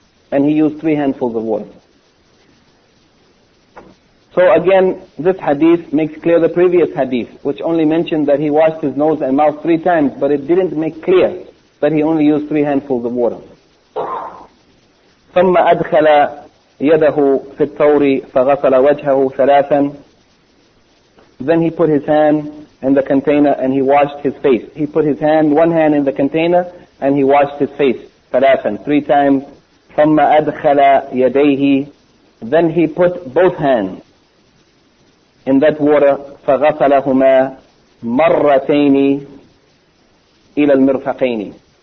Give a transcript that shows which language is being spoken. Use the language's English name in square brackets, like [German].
[English] And he used three handfuls of water. So again, this hadith makes clear the previous hadith, which only mentioned that he washed his nose and mouth three times, but it didn't make clear that he only used three handfuls of water. [Arabic] ثم أدخل يده في الثور فغسل وجهه ثلاثا. [English] Then he put his hand in the container and he washed his face. He put his hand, one hand in the container and he washed his face ثلاثا, three times. [Arabic] ثم أدخل يديه. [English] Then he put both hands in that water [Arabic] فغسلهما مرتين إلى المرفقين.